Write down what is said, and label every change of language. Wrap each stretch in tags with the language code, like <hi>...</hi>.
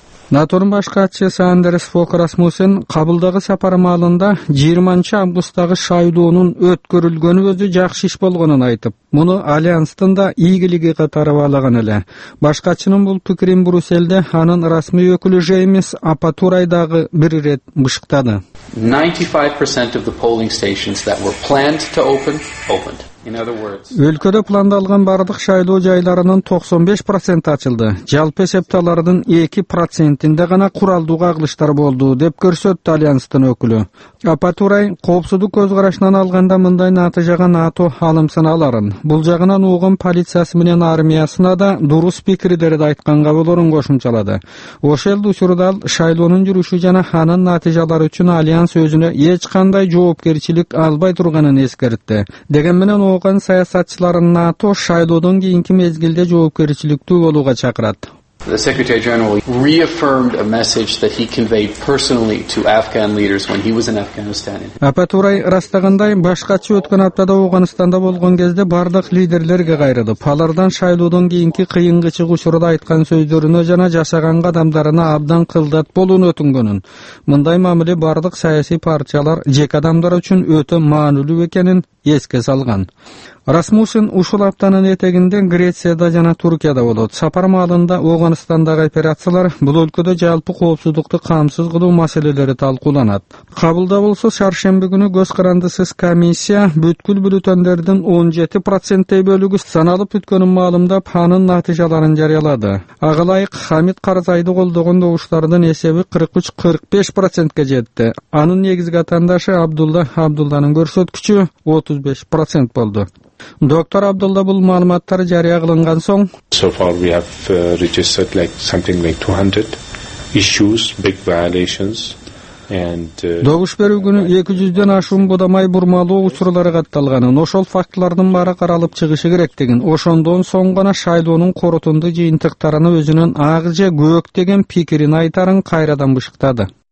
<ky>НАТОнун баш катчысы Андерс Фог Расмуссен кабылдагы сапары маалында 20 августтагы шайлоонун өткөрүлгөнү өзү жакшы иш болгонун айтып, муну Альянстын да ийгилиги катары баалаган эле. Баш катчынын бул пикирин Брюсселде анын расмий өкүлү Жеймис Апатурайдагы бир ирет мышыктады.</ky> <en>95% of the polling stations that were planned to open opened.</en> <ky>Өлкөдө пландалган бардык шайлоо жайларынын 95% ачылды. Жалпы эсепте алардын 2%инде гана куралдуу кагылыштар болду, деп көрсөттү Альянстын өкүлү. Апатурай коопсуздук көз карашынан алганда мындай натыйжага НАТО алымсын аларын. Бул жагынан угум полициясы менен армиясына да дурус пикирлерди айтканга болорун кошумчалады. Ошол учурда шайлоонун жүрүшү жана анын натыйжалары үчүн Альянс өзүнө эч кандай жоопкерчилик албай турганын эскертти. Деген менен ооган саясатчыларын НАТО шайлоодон кийинки мезгилде жоопкерчиликтүү болууга чакырат.</ky> <en>The Secretary General reaffirmed a message that he conveyed personally to Afghan leaders when he was in Afghanistan.</en> <ky>Апатурай растагандай баш катчы өткөн аптада Ооганстанда болгон кезде бардык лидерлерге кайрылып, алардан шайлоодон кийинки кыйынгычык учурда айткан сөздөрүнө жана жашаган кадамдарына абдан кылдат болуун өтүнгөнүн. Мындай мамиле бардык саясий партиялар жеке адамдар үчүн өтө маанилүү экенин эске салган. Расмуссен ушул аптанын этегинде Грецияда жана Туркияда болот. Сапар маалында Ооганстандагы операциялар, бул өлкөдө жалпы коопсуздукту камсыз кылуу маселелери талкууланат. Кабылда болсо шаршемби күнү көз карандысыз комиссия бүткүл бүлүтөндөрдүн 17% бөлүгү саналып бүткөнүн маалымдап анын натыйжаларын жарыялады. Ага ылайык Хамид Карзайды колдогон добуштардын эсеби 43-45% жетти. Анын негизги атаандашы Абдулла Абдулланын көрсөткүчү 35% болду. Доктор Абдулла бул маалыматтар жарыя кылынган соң</ky> <en>So far we have registered something like 200 issues, big violations.</en> <ky>Добуш берүү күнү 200-дөн ашуун будамай бурмалоо учурлары катталганын, ошол фактылардын баары каралып чыгышы керектигин, ошондон соң гана шайлоонун корутунду жыйынтыктарына өзүнүн ак же көк деген пикирин айтарын кайрадан бышыктады.</ky>